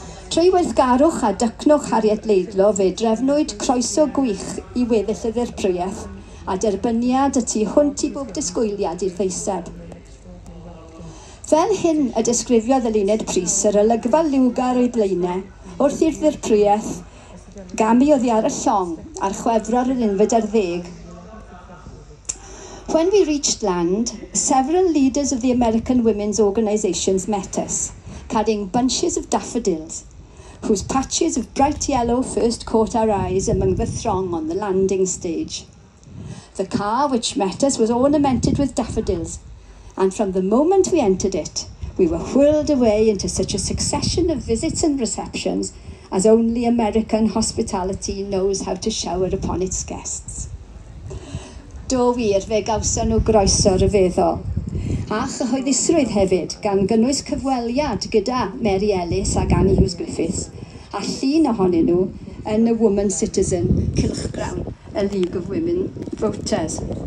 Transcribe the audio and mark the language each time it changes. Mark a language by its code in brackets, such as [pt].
[cy] Trwy weithgarwch a dycnwch Harriet Laidlaw, fe drefnwyd croeso gwych i weddill y ddirprwyeth a derbyniad y tu hwnt i bob disgwyliad i'r ddeiseb. Fel hyn y disgrifiodd y luned pris yr olygfa liwgar o'i blaenau wrth i'r ddirprwyeth gamu oddi ar y llong a'r chwefror yn unfed ar ddeg. [en] When we reached land, several leaders of the American women's organisations met us, carrying bunches of daffodils, whose patches of bright yellow first caught our eyes among the throng on the landing stage. The car which met us was ornamented with daffodils, and from the moment we entered it, we were whirled away into such a succession of visits and receptions as only American hospitality knows how to shower upon its guests. [cy] Do wir fe gawson nhw groeso rhyfeddol. A chyhoeddusrwydd hefyd gan gynnwys cyfweliad gyda Mary Ellis ac Annie Hughes Griffiths a llun ohonyn nhw yn y Woman Citizen Cylchgrawn y League of Women Voters.